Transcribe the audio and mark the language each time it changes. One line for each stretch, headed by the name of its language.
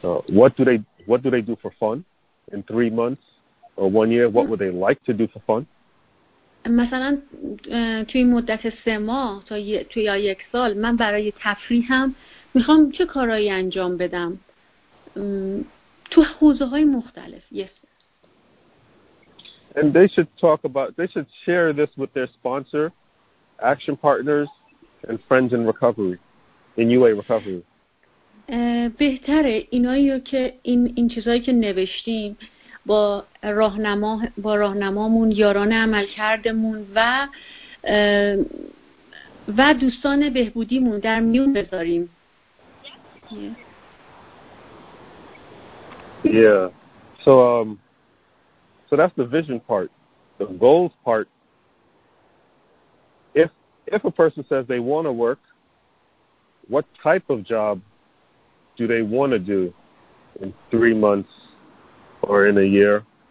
English: What do they do for fun in 3 months or 1 year? What would they like to do for fun?
Persian: مثلا توی مدت 3 ماه تا توی یا 1 سال من برای تفریحم میخوام چه کارهایی انجام بدم تو حوزه‌های مختلف.
English: Yes. And they should talk about, they should share this with their sponsor, action partners, and friends in recovery, in UA recovery.
Persian: بهتره اینایی که این چیزایی که نوشتیم با راهنمامون یاران عمل کردمون و دوستان بهبودیمون در میون بذاریم.
English: So that's the vision part, the goals part. If a person says they want to work, what type of job do they want to do in 3 months or in a year?